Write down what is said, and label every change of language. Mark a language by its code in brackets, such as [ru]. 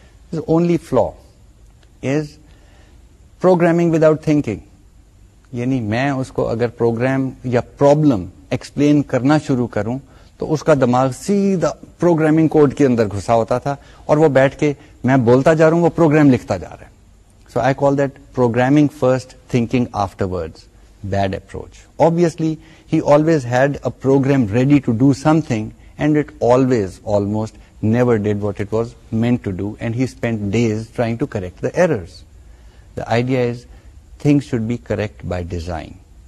[en] His only flaw is programming without thinking. [ur] یعنی میں اس کو اگر پروگرام یا پرابلم ایکسپلین کرنا شروع کروں تو اس کا دماغ سیدھا پروگرامنگ کوڈ کے اندر گھسا ہوتا تھا اور وہ بیٹھ کے میں بولتا جا رہا ہوں وہ پروگرام لکھتا جا رہا ہے. [en] So I call that programming first thinking after words, bed approach. Obviously he always had a programme ready to do some thing and it always almost never did what it was meant to do, and he spent days trying to correct the errors. The idea is things should be correct by design.